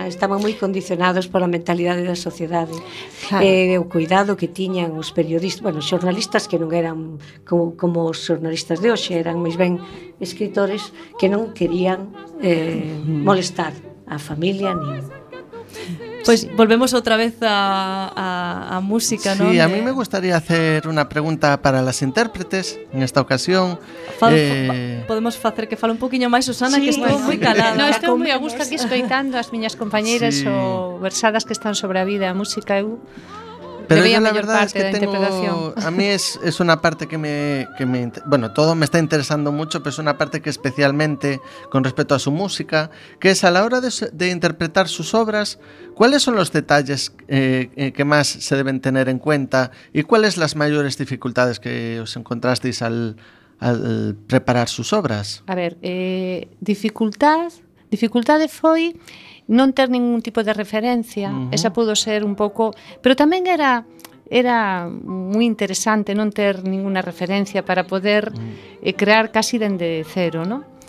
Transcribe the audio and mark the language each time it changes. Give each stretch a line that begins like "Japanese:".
Galician: Estaban moi condicionados pola mentalidade da sociedade. Claro. O cuidado que tiñan os periodistas, bueno, xornalistas que non eran como os xornalistas de hoxe, eran máis ben escritores que non querían molestar a familia ni. Pois pues volvemos outra vez a música,
Spanish: sí,
Galician: non?
Spanish: Sí, a mí me gustaría hacer unha pregunta para las intérpretes en esta ocasión.
Galician: Podemos facer que fale un poquinho máis Susana, sí, que estou moi calada. No, estou moi a gusto aquí escoitando as miñas compañeiras, sí, ou versadas que están sobre a vida, a música. Eu pero
Spanish: yo la verdad es que tengo, a mí es una parte que me bueno, todo me está interesando mucho, pero es una parte que especialmente con respecto a su música, que es a la hora de interpretar sus obras, ¿cuáles son los detalles que más se deben tener en cuenta y cuáles las mayores dificultades que os encontrasteis al preparar sus obras?
Galician: A ver, dificultade foi non ter ningún tipo de referencia,
Spanish: esa pudo ser
Galician: un pouco, pero tamén era moi interesante non ter ninguna referencia para poder crear casi dende cero, ¿no?